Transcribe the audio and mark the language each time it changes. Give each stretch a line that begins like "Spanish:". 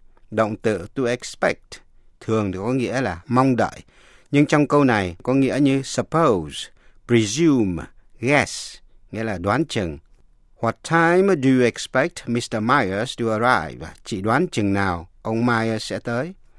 Vietnamese: Động từ to expect thường có nghĩa là mong đợi, nhưng trong câu này có nghĩa như suppose, presume, guess, nghĩa là đoán chừng.
English: What time do you expect Mr. Myers to arrive?
Vietnamese: Chị đoán chừng nào ông Myers sẽ tới?